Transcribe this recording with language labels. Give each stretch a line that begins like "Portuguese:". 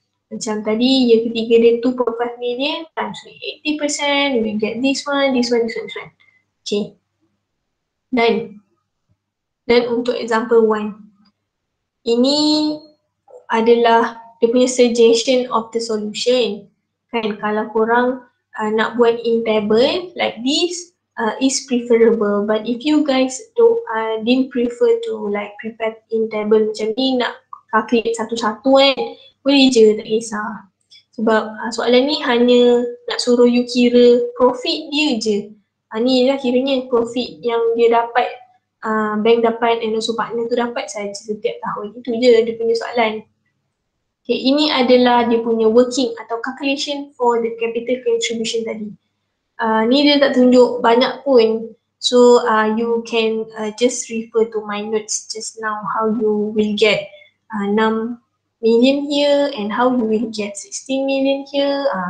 Malay: Macam tadi yang ketiga dia
English: 2.5 million times 80%, you will get this one, this one, this one, this one. Okay.
Malay: Dan dan untuk example one, ini adalah dia punya
English: suggestion of the solution.
Malay: kan, kalau korang nak buat
English: in table like this, is preferable. But if you guys don't didn't prefer to like prepare in table
Malay: macam ni, nak calculate satu-satu kan, boleh je, tak kisah. Sebab soalan ni hanya nak suruh you kira profit dia je. Ni lah kiranya profit yang dia dapat, bank dapat
English: and also partner
Malay: tu dapat saja setiap tahun. Itu je dia punya soalan. Okay, ini adalah dia punya working atau calculation
English: for the capital contribution
Malay: tadi. Ni dia tak tunjuk banyak pun.
English: So you can just refer to my notes just now, how you will get 6 million here and how you will get 16 million here.